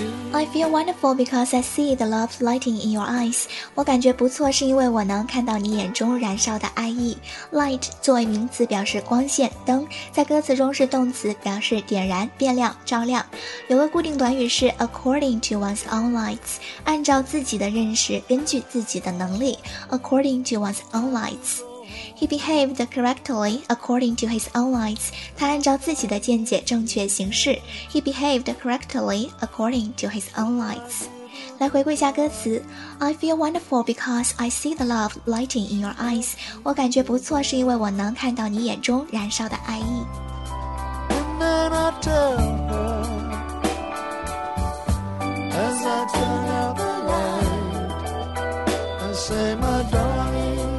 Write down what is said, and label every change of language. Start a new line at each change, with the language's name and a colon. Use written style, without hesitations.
English: I feel wonderful because I see the love lighting in your eyes.
Chinese: 我感觉不错是因为我能看到你眼中燃烧的爱意。 Light 作为名词表示光线、灯，在歌词中是动词表示点燃、变亮、照亮。有个固定短语是
English: according to one's own lights，
Chinese: 按照自己的认识，根据自己的能力， according to one's own lights。
English: He behaved correctly according to his own lights.
Chinese: 他按照自己的见解正确行事。
English: He behaved correctly according to his own lights.
Chinese: 来回顾一下歌词。
English: I feel wonderful because I see the love lighting in your eyes.
Chinese: 我感觉不错是因为我能看到你眼中燃烧的爱意。
English: And then I tell her, as I turn out the light, I say my darling.